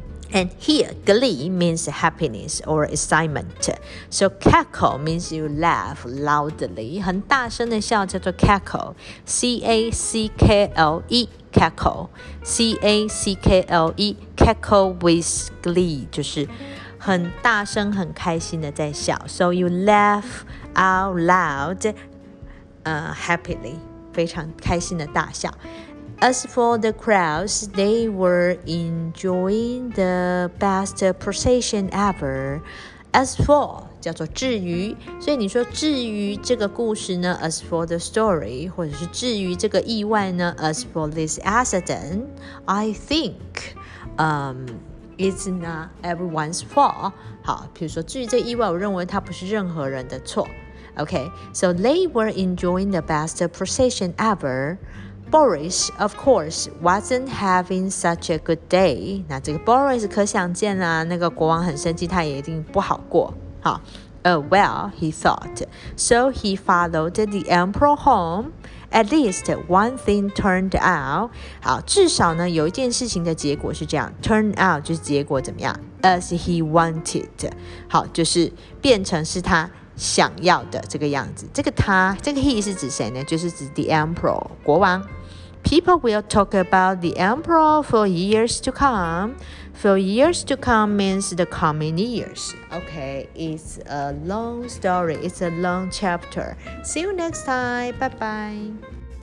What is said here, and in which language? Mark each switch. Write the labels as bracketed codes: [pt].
[en] And here, glee means happiness or excitement. So cackle means you laugh loudly. [zh] 很大声的笑叫做 [en] cackle. C-A-C-K-L-E, cackle. C-A-C-K-L-E, cackle with glee. [zh] 就是很大声很开心的在笑。 [en] So you laugh out loud, happily. [zh] 非常开心的大笑。 [en] As for the crowds, they were enjoying the best procession ever. As for, [zh] 叫做至于，所以你说至于这个故事呢 [en] ,as for the story, [zh] 或者是至于这个意外呢 [en] ,as for this accident, I think, it's not everyone's fault. [zh] 好，比如说至于这个意外，我认为它不是任何人的错。 [en] Okay, so they were enjoying the best procession ever. Boris, of course, wasn't having such a good day. [zh] 那这个 Boris 可想见啦、啊、那个国王很生气，他也一定不好过。 [en] 好 well, he thought. So he followed the emperor home. At least one thing turned out. [zh] 好，至少呢，有一件事情的结果是这样。 [en] Turn out [zh] 就是结果怎么样 [en] ？As he wanted. [zh] 好，就是变成是他。想要的这个样子，这个他，这个 he 是指谁呢？就是指 [en] the emperor [zh] 国王。 [en] People will talk about the emperor for years to come. For years to come means the coming years. Okay, it's a long story. It's a long chapter. See you next time. Bye bye.